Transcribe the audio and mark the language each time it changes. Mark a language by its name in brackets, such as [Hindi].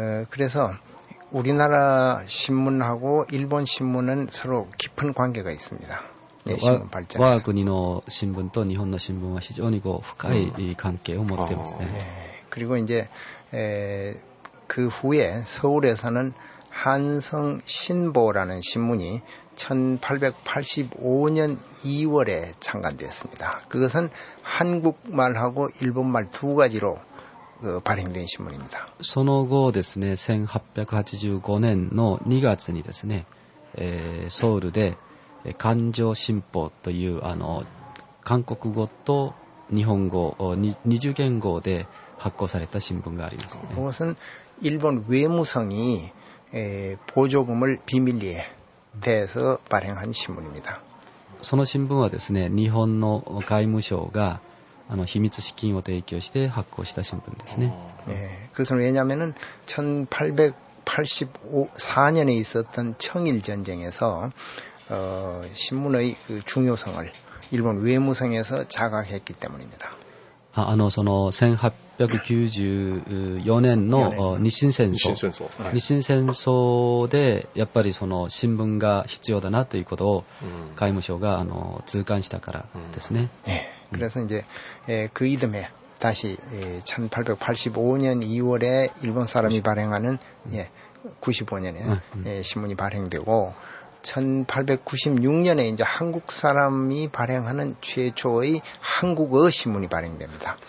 [Korean] 그래서우리나라신문하고일본신문은서로깊은관계가있습니다。 [Japanese] 我が国の新聞と日本の新聞は非常に深い関係を持っていますね。 [Korean] 그리고이제그후에서울에서는한성신보라는신문이1885년2월에창간되었습니다。 그것은한국말하고일본말두가지로발행된신문입니다。 [Japanese] その後ですね、1885年の2月にですね、ソウルで環状新報という韓国語と日本語二重言語で発行された新聞がありますね。 [Korean] 그것은일본외무성이보조금을비밀리에대해서발행한신문입니다。 [Japanese] その新聞はですね、日本の外務省が秘密資金を提供して発行した新聞ですね。 [Korean] 그것은왜냐면은1884년에있었던청일전쟁에서신문의그중요성을일본외무성에서자각했기때문입니다。 [Japanese] その1894年の日清戦争でやっぱりその新聞が必要だなということを外務省が痛感したからですね。 [Korean] 그래서이제그이듬해다시1885년2월에일본사람이발행하는95년에신문이발행되고1896년에이제한국사람이발행하는최초의한국어신문이발행됩니다。